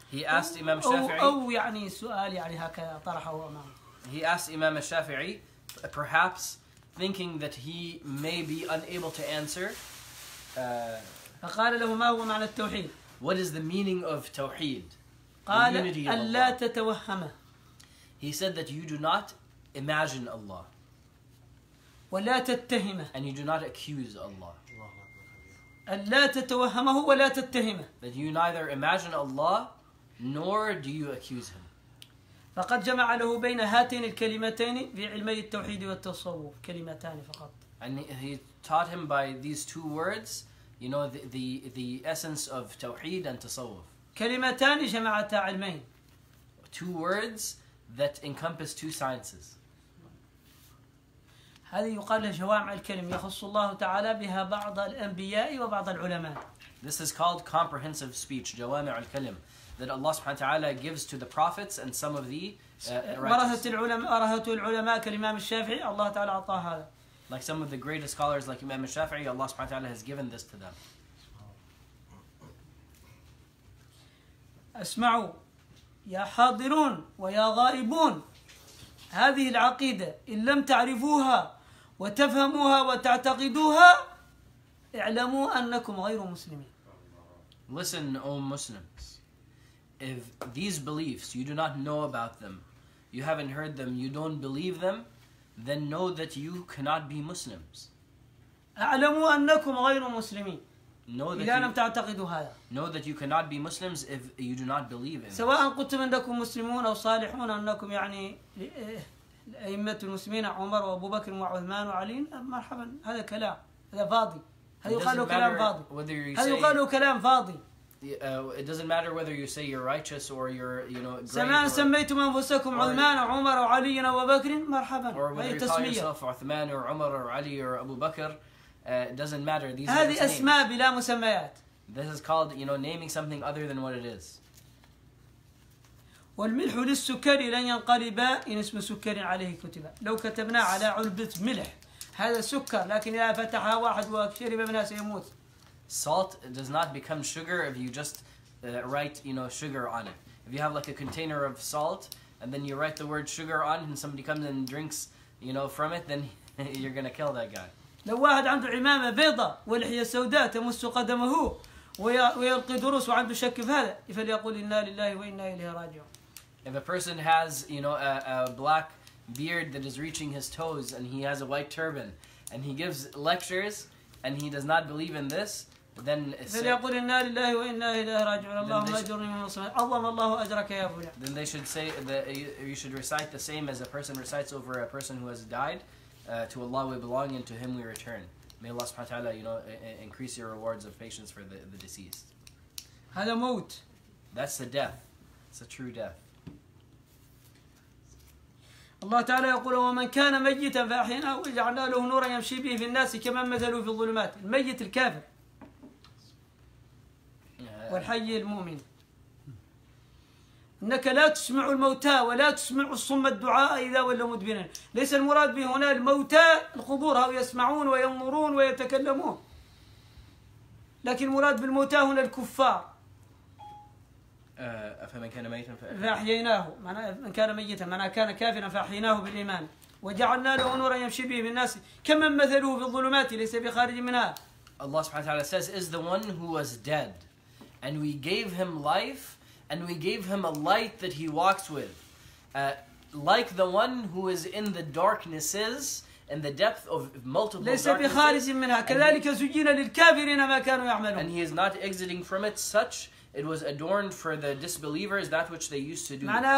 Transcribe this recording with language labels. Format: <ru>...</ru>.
<en>He asked إمام الشافعي</en> <ar>أو يعني سؤال يعني هكذا طرحه أمامه.</ar> <en>He asked إمام الشافعي perhaps thinking that he may be unable to answer.</en> <ar>فقال له ما هو معنى التوحيد؟</ar> <en>What is the meaning of توحيد؟</en> <ar>قال ألا تتوهمه.</ar> <en>He said that you do not imagine Allah.</en> <ar>ولا تتهمه.</ar> <en>And you do not accuse Allah.</en> <ar>ألا تتوهمه ولا تتهمه.</ar> <en>That you neither imagine Allah nor do you accuse him.</en> <ar>فقد جمع له بين هاتين الكلمتين في علمي التوحيد والتصوف كلمتان فقط.</ar> <en>And he taught him by these two words, you know, the essence of توحيد and تصوف.</en> <ar>كلمتان جمعتا علمين.</ar> <en>Two words that encompass two sciences.</en> <ar>هذه يقال له جوامع الكلم يخص الله تعالى بها بعض الأنبياء وبعض العلماء.</ar> <en>This is called comprehensive speech, جوامع الكلم, that Allah سبحانه وتعالى gives to the prophets and some of the</en> <ar>ورثة العلماء كالإمام الشافعي الله تعالى أعطاه هذا.</ar> <en>Like some of the greatest scholars like Imam al-Shafi'i, Allah سبحانه وتعالى has given this to them.</en> <ar>أسمعوا يا حاضرون ويا غائبون هذه العقيدة إن لم تعرفوها وتفهموها وتعتقدوها اعلموا أنكم غير مسلمين.</ar> <en>Listen, O Muslims. If these beliefs you do not know about them, you haven't heard them, you don't believe them, then know that you cannot be Muslims.</en> <ar>اعلموا أنكم غير مسلمين.</ar> <en>Know that</en> <ar>إذا لم تعتقدوا هذا.</ar> <en>Know that you cannot be Muslims if you do not believe in.</en> <ar>سواء قلتم أنكم مسلمون أو صالحون أنكم يعني أئمة المسلمين عمر وأبو بكر وعثمان وعلي مرحبا هذا كلام هذا فاضي هذا يقال كلام فاضي هذا يقال كلام فاضي.</ar> <en>It doesn't matter whether you say you're righteous or you're you know.</en> <ar>سما سميتم أنفسكم عثمان عمر وعلي أو بكر مرحبا.</ar> <en>Or whether you call yourself عثمان or عمر or Ali or Abu Bakr. It doesn't matter. These</en> <ar>هذه</ar> <en>are</en> <ar>أسماء بلا مسميات.</ar> <en>This is called, you know, naming something other than what it is.</en> <ar>والملح للسكر لن ينقلب إن اسم سكر عليه كتب. لو كتبنا على علبة ملح هذا سكر لكن إذا فتحها واحد وشرب منها سيموت.</ar> <en>Salt does not become sugar if you just write, you know, sugar on it. If you have like a container of salt and then you write the word sugar on it and somebody comes and drinks, you know, from it, then you're gonna kill that guy.</en> <ar>لو واحد عنده عمامة بيضة ولحية سوداء تمس قدمه ويلقي دروس وعنده شك في هذا فليقول إنا لله وإنا إليه راجعون.</ar> <en>If a person has, you know, a black beard that is reaching his toes and he has a white turban and he gives lectures and he does not believe in this, then</en> <ar>فليقول إنا لله وإنا إليه راجعون اللهم أجرني من الصلاة اللهم الله أجرك يا فلان.</ar> <en>Then they should say that you should recite the same as a person recites over a person who has died. To Allah we belong and to Him we return. May Allah subhanahu wa ta'ala, you know, increase your rewards of patience for the deceased.</en> <ar>هذا موت.</ar> <en>That's the death. It's a true death.</en> <ar>Allah تعالى يقول ومن كان ميتا فأحيناه وجعلنا له نورا يمشي به في الناس كما مثله في الظلمات. الميت الكافر. والحي المؤمن. أنك لا تسمع الموتى ولا تسمع الصم الدعاء إذا ولوا مدبرين ليس المراد به هنا الموتى الحضور هؤلاء يسمعون وينظرون ويتكلمون لكن المراد بالموتى هنا الكفار فمن كان ميتا فأحييناه من كان ميتا من كان كافرا فأحييناه بالإيمان وجعلنا له نورا يمشي به من الناس كما مثله في الظلمات ليس بخارج منها.</ar> <en>الله سبحانه وتعالى says is the one who was dead and we gave him life and we gave him a light that he walks with. Like the one who is in the darknesses, in the depth of multiple darknesses. And he is not exiting from it, such it was adorned for the disbelievers, that which they used to do.</en>